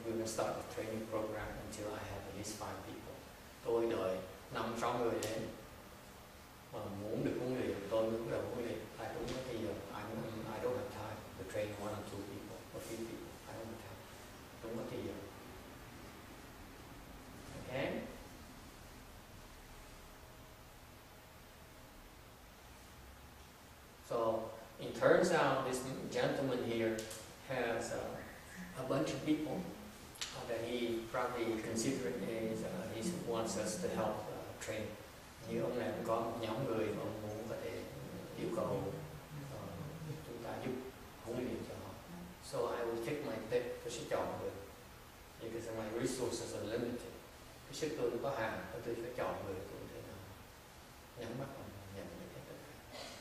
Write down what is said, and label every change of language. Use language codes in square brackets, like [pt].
[en] We will start the training program until I have at least 5 people. [vi] Tôi đợi 5-6 người đến. Mà muốn được huấn luyện, tôi muốn được huấn luyện. [en] I don't have time. I don't have time to train 1 or 2 people or 3 people. I don't have time. [vi] Đúng có thời giờ. [en] Okay. So it turns out this gentleman here has a bunch of people that he probably considering is he wants us to help train. [vi] Như ông này có một nhóm người mà muốn có thể yêu cầu chúng ta giúp huấn luyện cho họ. [en] So I will take my tip, [vi] tôi sẽ chọn người. [en] Because my resources are limited. [vi] Cái sức tôi có hạn, tôi sẽ chọn người cũng thế nào. Nhắm mắt ông nhận được hết tất cả.